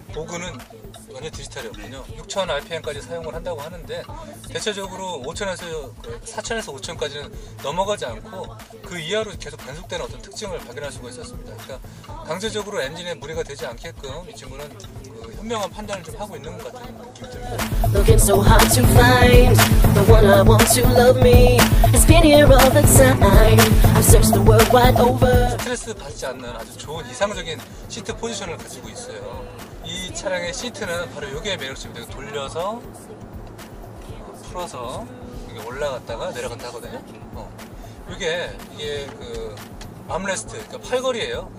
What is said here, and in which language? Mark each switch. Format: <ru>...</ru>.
<ko>보그는 완전 디지털이었군요. 네. 6000 RPM까지 사용을 한다고 하는데 대체적으로 4000에서 5000까지는 넘어가지 않고 그 이하로 계속 변속되는 어떤 특징을 발견할 수가 있었습니다. 그러니까 강제적으로 엔진에 무리가 되지 않게끔 이 친구는 그 현명한 판단을 좀 하고 있는 것 같아요.</ko> <en>Looking so hard to find the one I want to love me. It's been here all the time. I've searched the world wide over.</en> <ko>스트레스 받지 않는 아주 좋은 이상적인 시트 포지션을 가지고 있어요. 이 차량의 시트는 바로 이게 매력점이 되고 돌려서 풀어서 이게 올라갔다가 내려간다 하거든요. 이게 그 암레스트, 그러니까 팔걸이에요.</ko>